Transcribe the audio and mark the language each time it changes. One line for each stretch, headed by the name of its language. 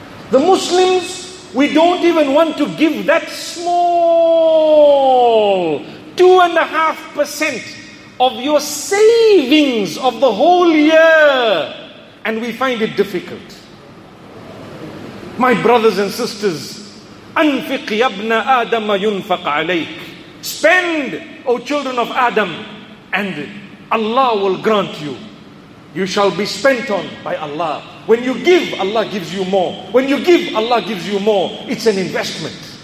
English: The Muslims, we don't even want to give that small 2.5% of your savings of the whole year, and we find it difficult. My brothers and sisters,
Arabic: أنفق يا ابن آدم ينفق عليك.
English: Spend, O children of Adam, and Allah will grant you. You shall be spent on by Allah. When you give, Allah gives you more. When you give, Allah gives you more. It's an investment.